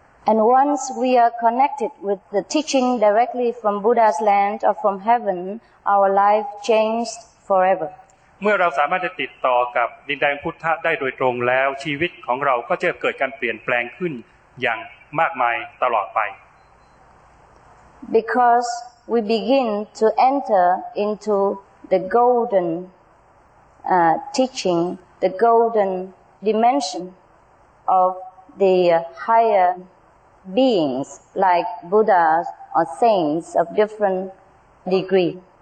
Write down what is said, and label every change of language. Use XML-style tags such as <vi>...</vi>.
<en>And once we are connected with the teaching directly from Buddha's land or from heaven, our life changed forever.</en> <th>เมื่อเราสามารถจะติดต่อกับดินแดนพุทธะได้โดยตรงแล้วชีวิตของเราก็จะเกิดการเปลี่ยนแปลงขึ้นอย่างมากมายตลอดไป</th> <en>Because we begin to enter into the golden teaching, the golden dimension of the higher beings like Buddhas or saints of different degree.</en>